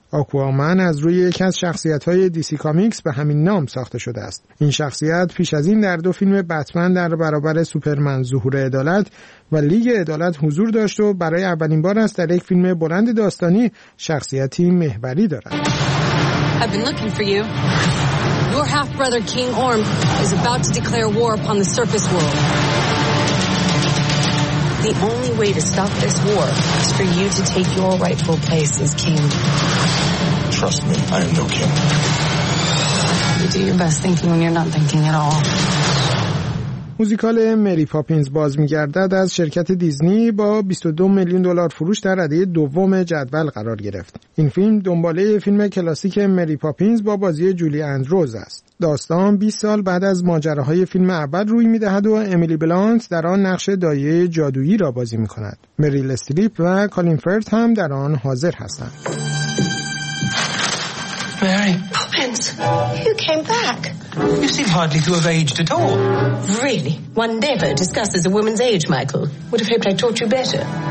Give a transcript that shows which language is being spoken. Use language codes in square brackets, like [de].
[fa] آکوامن از روی یکی از شخصیت‌های دی‌سی کامیکس به همین نام ساخته شده است. این شخصیت پیش از این در 2 فیلم بتمن در برابر سوپرمن ظهور عدالت و لیگ عدالت حضور داشت و برای اولین بار است در یک فیلم بلند داستانی شخصیتی محوری دارد. [en] I've been looking for you. Your half-brother King Orm is about to declare war upon the surface world. The only way to stop this war is for you to take your rightful place as king. Trust me, I am no king. You do your best thinking when you're not thinking at all. [fa] موزیکال مری پاپینز باز می‌گردد از شرکت دیزنی با 22,000,000 دلار فروش در رده دوم جدول قرار گرفت. این فیلم دنباله فیلم کلاسیک مری پاپینز با بازی جولی اندروز است. داستان 20 سال بعد از ماجراهای فیلم اول روی می‌دهد و امیلی بلانت در آن نقش دایه جادویی را بازی می‌کند. مریل استریپ و کالین فرت هم در آن حاضر هستند. [en] Mary Poppins, you came back. You seem hardly to have aged at all. Really? One never discusses a woman's age, Michael. Would have hoped I taught you better.